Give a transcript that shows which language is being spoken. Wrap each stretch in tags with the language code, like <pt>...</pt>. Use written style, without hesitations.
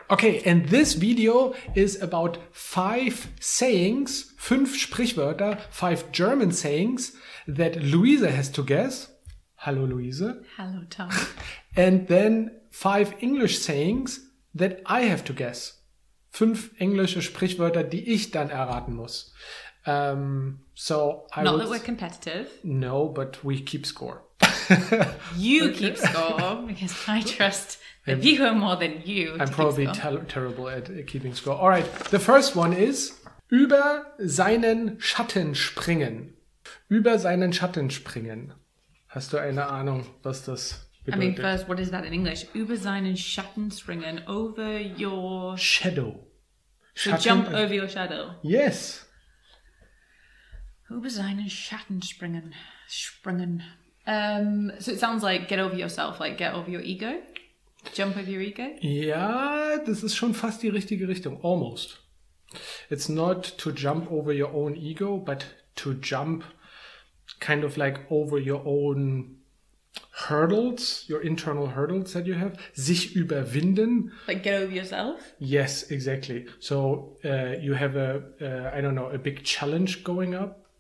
<en>Okay, and this video is about five sayings,</en> <de>fünf Sprichwörter,</de> <en>five German sayings that Luise has to guess.</en> <de>Hallo, Luise. Hallo, Tom.</de> <en>And then five English sayings that I have to guess.</en> <de>Fünf englische Sprichwörter, die ich dann erraten muss.</de> <en>Not that we're competitive. No, but we keep score. You keep score because I trust the viewer more than you. I'm probably terrible at keeping score. All right. The first one is</en> <de>über seinen Schatten springen. Über seinen Schatten springen. Hast du eine Ahnung, was das bedeutet?</de> <en>I mean, first, what is that in English?</en> <de>Über seinen Schatten springen.</de> <en>Over your shadow. So jump over your shadow. Yes.</en> <de>Über seinen Schatten springen. Springen.</de> <en>So it sounds like get over yourself, like get over your ego. Jump over your ego.</en> <de>Ja, das ist schon fast die richtige Richtung.</de> <en>Almost. It's not to jump over your own ego, but to jump kind of like over your own hurdles, your internal hurdles that you have.</en> <de>Sich überwinden.</de> <en>Like get over yourself? Yes, exactly. So you have a big challenge going up.</en>